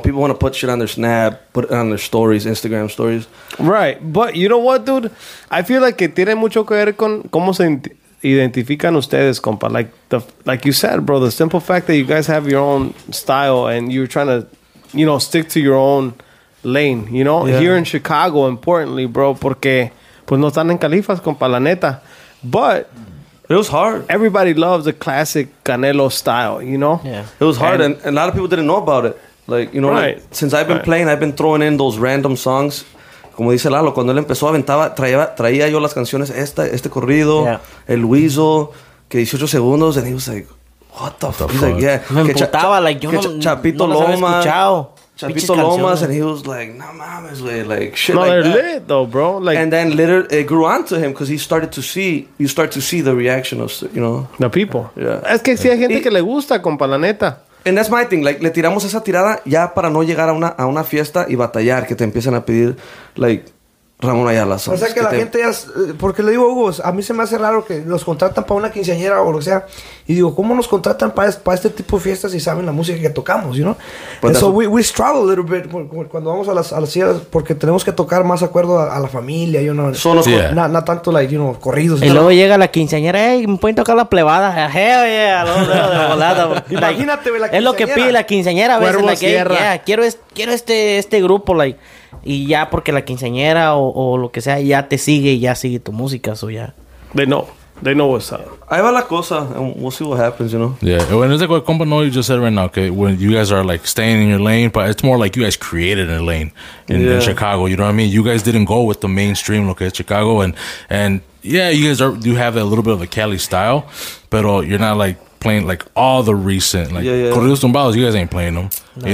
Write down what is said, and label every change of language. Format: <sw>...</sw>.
<en>People want to put shit on their Snap, put it on their stories, Instagram stories. Right. But you know what, dude? I feel like</en> <es>que tiene mucho que ver con cómo se identifican ustedes, compa.</es> <en>Like you said, bro, the simple fact that you guys have your own style and you're trying to, you know, stick to your own lane, you know? Yeah. Here in Chicago, importantly, bro,</en> <es>porque pues no están en Califas, compa, la neta.</es> <en>But it was hard. Everybody loves the classic Canelo style, you know? Yeah. It was hard and a lot of people didn't know about it. Like, you know, right. Like, since I've been playing, I've been throwing in those random songs.</en> <es>Como dice Lalo, cuando él empezó, traía yo las canciones, este corrido, yeah.</es> <en>El Luiso,</en> <es>que 18 segundos,</es> <en>and he was like, what the fuck? He's like, yeah.</en> <es>Me emputaba, like, yo no, Chapito no Lomas, las había escuchado.</es> <en>Chapito Lomas, and he was like,</en> <es>no mames, güey,</es> <en>like, shit no, like that. Lit, though, bro. Like, and then literally, it grew onto him, because he started to see, you start to see the reaction of, you know. The people. Yeah.</en> <es>Es que sí hay gente que le gusta, compa, la neta.</es> <en>And that's my thing.</en> <es>Like, le tiramos esa tirada ya para no llegar a una fiesta y batallar que te empiecen a pedir, like, Ramón Ayala. O sea, que la gente ya... Porque le digo, Hugo, a mí se me hace raro que los contratan para una quinceañera o lo que sea. Y digo, ¿cómo nos contratan para este tipo de fiestas si saben la música que tocamos, you know?</es> <en>And so we struggle a little bit</en> <es>cuando vamos a las sierras porque tenemos que tocar más acuerdo a la familia, you know. Solo no tanto, like, you know, corridos. Y luego llega la quinceañera, hey, ¿me pueden tocar la plebada?</es> <en>Hell yeah.</en> <es>Imagínate, la quinceañera. Es lo que pide la quinceañera. Cuervo a sierra. Quiero este grupo, like... Y ya porque la quinceañera o lo que sea, ya te sigue y ya sigue tu música, so ya.</es> <en>They know what's up.</en> <es>Ahí va la cosa,</es> <en>and we'll see what happens,</en> <es>you know?</es> <en>Yeah, when it's like what Compa Noy just said right now, okay, when you guys are like staying in your lane, but it's more like you guys created a lane in Chicago, you know what I mean? You guys didn't go with the mainstream, okay, Chicago, and yeah, you guys do have a little bit of a Cali style, but you're not like playing like all the recent, like Corridos Tumbados, you guys ain't playing them, no.</en>